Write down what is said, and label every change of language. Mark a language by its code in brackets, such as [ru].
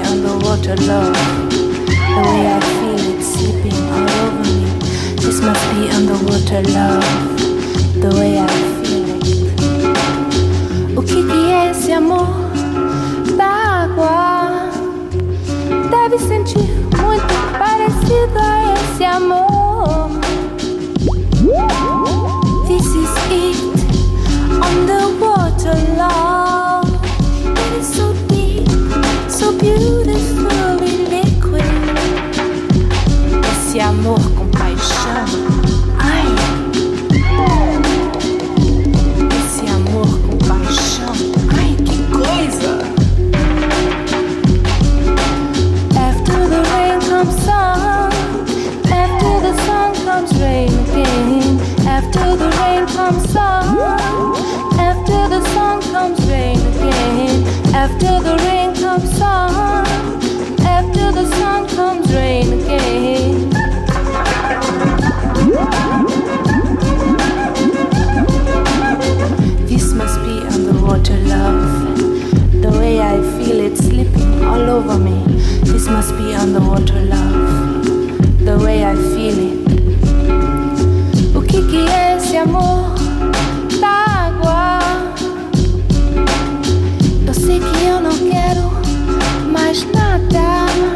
[en] The way I feel it slipping all over me. This must be underwater love. The way I feel it. [pt] O que que é esse amor da água? Deve sentir muito parecido a esse amor. [en] This is it, underwater love. It is so deep, so beautiful. [pt] Esse amor com paixão, ai. Esse amor com paixão, ai, que coisa. [en] After the rain comes sun, after the sun comes rain again. After the rain comes sun, after the sun comes rain again. After the rain comes sun, after the sun comes rain again. This must be underwater love. The way I feel it slipping all over me. This must be underwater love. The way I feel it. [pt] O que que é esse amor da água? Eu sei que eu não quero mais nada.